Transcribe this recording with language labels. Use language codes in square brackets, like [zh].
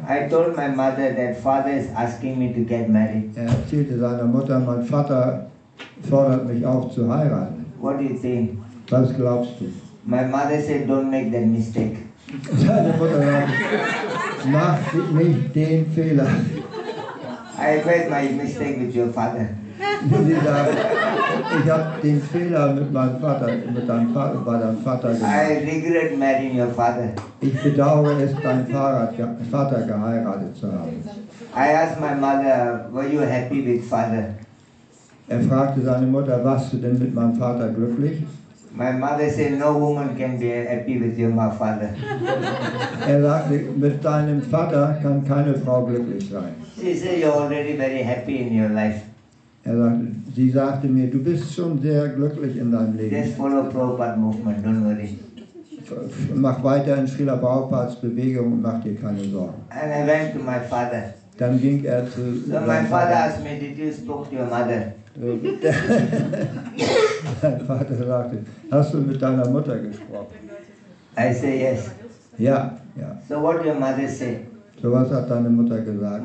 [en] I told my mother that father is asking me to get married. [de] Er erzählte seiner Mutter, mein Vater fordert mich auf zu heiraten. [en] What do you think? [de] Was glaubst du? [en] My mother said, don't make that mistake. [de] Seine Mutter sagte, mach nicht den Fehler. [en] I made my mistake with your father. [de] Sie sagt, ich habe den Fehler mit meinem Vater, bei deinem Vater gemacht. [en] I regret marrying your father. [de] Ich bedauere es, deinen Vater geheiratet zu haben. [en] I asked my mother, were you happy with father? [de] Er fragte seine Mutter, warst du denn mit meinem Vater glücklich? [en] My mother said, no woman can be happy with your father. [de] Er sagte, mit deinem Vater kann keine Frau glücklich sein. [en] She said, you're already very happy in your life. [de] Sie sagte mir, du bist schon sehr glücklich in deinem Leben. [en] Just follow Prabhupada movement, don't worry. [de] Mach weiter in Srila Prabhupadas Bewegung und mach dir keine Sorgen. [en] And I went to my father. [de] Dann ging er zu seinem Vater. [en] So my father asked me, did you speak to your mother? [de] Dein Vater sagte, hast du mit deiner Mutter gesprochen? [en] I say yes. [de] Ja, ja. [en] So what your mother say? [de] So was hat deine Mutter gesagt?